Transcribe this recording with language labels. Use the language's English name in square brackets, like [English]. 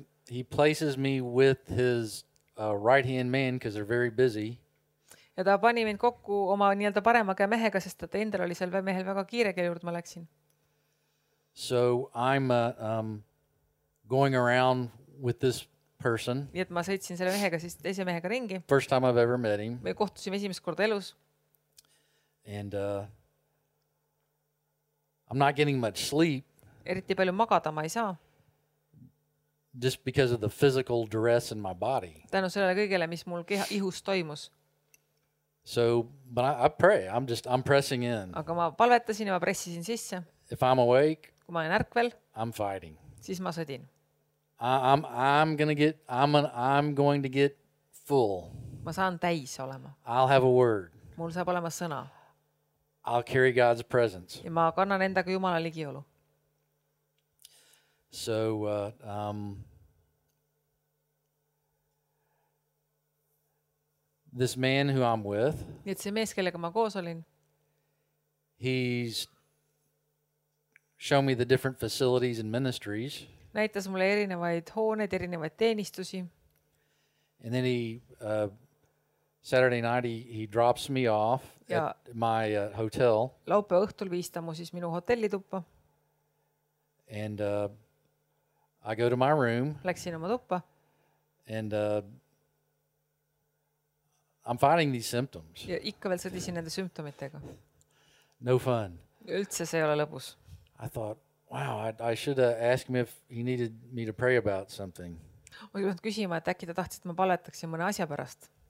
[English] He places me with his right-hand man because they're very busy. [Estonian] Ja ta pani mind kokku oma nii-öelda parema käe mehega, sest ta endal oli seal mehel väga kiire, kelle juurde ma läksin. [English] So I'm going around with this person. [Estonian] Ja ma sõitsin selle mehega siis teise mehega ringi. [English] First time I've ever met him. [Estonian] Me kohtusime esimest korda elus. [English] And I'm not getting much sleep. [Estonian] Eriti palju magada ma ei saa. [English] Just because of the physical duress in my body. [Estonian] Tänu sellele kõigele, mis mul keha ihus toimus. [English] So, but I pray. I'm pressing in. [Estonian] Aga ma palvetasin ja ma pressisin sisse. [English] If I'm awake, [Estonian] kui ma olen ärkvel, [English] I'm fighting. [Estonian] Siis ma sõdin. [English] I'm going to get full. [Estonian] Ma saan täis olema. [English] I'll have a word. [Estonian] Mul saab olema sõna. [English] I'll carry God's presence. [Estonian] Ja ma kannan endaga Jumala ligiolu. [English] So this man who I'm with. [Estonian] Nüüd see mees, kellega ma koos olin. [English] He's show me the different facilities and ministries. [Estonian] Näitas mulle erinevaid hooned, erinevaid teenistusi. [English] And then he Saturday night he drops me off at my hotel. [Estonian] Laupäe õhtul viistab mu siis minu hotelli tuppa. [English] And I go to my room. [Estonian] Läksin oma tuppa. [English] And I'm fighting these symptoms. [Estonian] Ja ikka veel sõdisin nende sümptomitega. [English] No fun. [Estonian] Üldse see ei ole lõbus. [English] I thought, wow, I should have asked him if he needed me to pray about something. [Estonian] Ma küsima, et äkki ta tahtsid, et ma paletaksin mõne asja pärast.